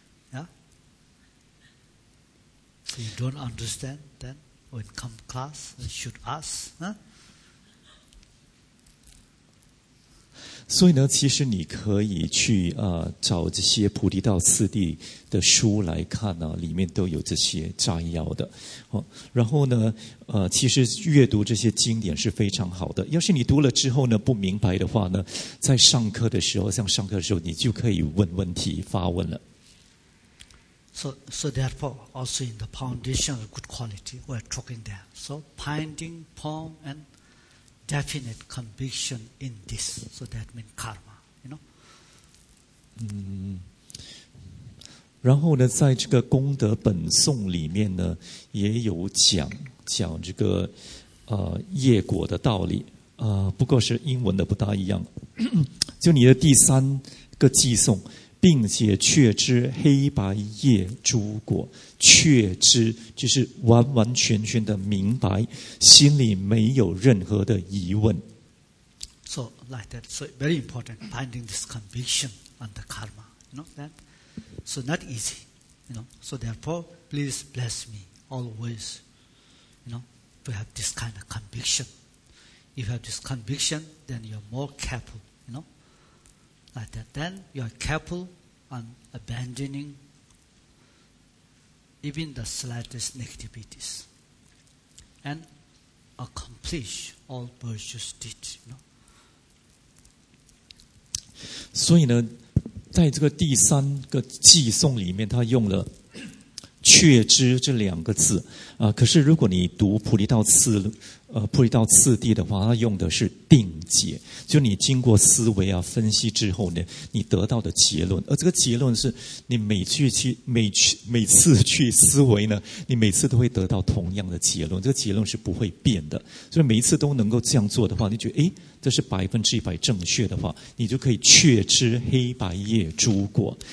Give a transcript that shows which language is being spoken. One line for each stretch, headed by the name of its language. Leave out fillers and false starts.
English: So you don't understand, then when come class, you should ask.
Chinese: So, 呢，其实你可以去找这些菩提道次第的书来看呢，里面都有这些摘要的。然后呢，其实阅读这些经典是非常好的。要是你读了之后呢，不明白的话呢，在上课的时候，像上课的时候，你就可以问问题、发问了。
English: So therefore, also in the foundation of good quality, we're talking there. So binding, firm, and definite conviction in this. So that means karma, you know?
Chinese: 然后呢，在这个功德本颂里面呢，也有讲这个业果的道理。不过是英文的不大一样。就你的第三个寄颂。并且确知黑白业诸果，确知就是完完全全的明白，心里没有任何的疑问。
English: So like that, so very important finding this conviction on the karma, you know that. So not easy, you know. So therefore, please bless me always, you know, to have this kind of conviction. If you have this conviction, then you're more careful, you know. Like that, then you are careful on abandoning even the slightest negativities and accomplish all virtuous deeds. You know?
Chinese: 所以呢，在这个第三个寄颂里面，他用了"确知"这两个字啊。可是如果你读菩提道次菩提道次第的话，他用的是定解，就你经过思维啊分析之后呢，你得到的结论，而这个结论是你每次去思维呢，你每次都会得到同样的结论，这个结论是不会变的，所以每一次都能够这样做的话，你觉得诶，这是100%正确的话，你就可以确知黑白业诸果。